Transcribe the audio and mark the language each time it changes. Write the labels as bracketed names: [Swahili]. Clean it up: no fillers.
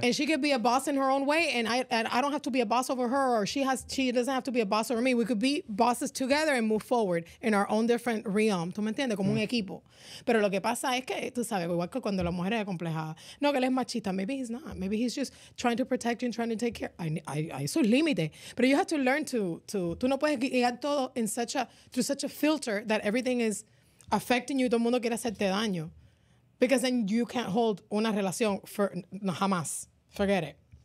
[English] And she could be a boss in her own way and I don't have to be a boss over her or she doesn't have to be a boss over me. We could be bosses together and move forward in our own different realm. [Spanish] ¿Tú me entiendes? Como un equipo. Pero lo que pasa es que, tú sabes, igual que cuando la mujer es acomplejada. No, que él es machista. [English] Maybe he's not. Maybe he's just trying to protect you and trying to take care. [Spanish] Hay sus límites. [English] But you have to learn to [Spanish] tú no puedes guiar todo [English] in such a, through such a filter that everything is affecting you. [Spanish] Todo el mundo quiere hacerte daño. [English] Because then you can't hold [Spanish] una relación [English] for [Spanish] no, jamás. [English] Forget it.